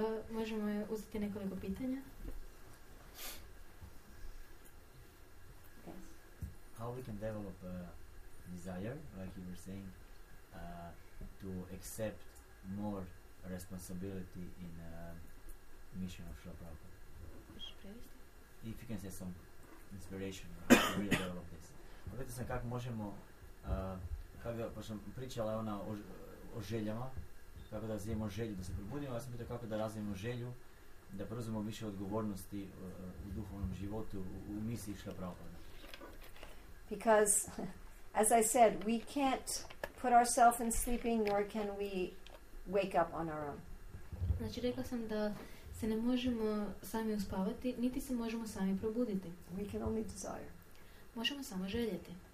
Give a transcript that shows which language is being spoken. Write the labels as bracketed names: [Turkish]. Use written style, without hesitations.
[Croatian] Možemo uzeti nekoliko pitanja. [English] Yes. How we can develop desire, like you were saying, to accept more responsibility in mission of Srila Prabhupada. If you can say some inspiration to develop this. [Croatian] Pitao sam kako možemo, kako sam pričala ona o željama, kako da razvijemo želju da se probudimo, ja sam pitao kako da razvijemo želju da preuzmemo više odgovornosti u duhovnom životu, u misiji Srila Prabhupada. [English] Because as I said, we can't put ourselves in sleeping, nor can we wake up on our own. [Croatian] Znači, rekla sam da se ne možemo sami uspavati, niti se možemo sami probuditi. [English] We can only desire. [Croatian] Možemo samo željeti.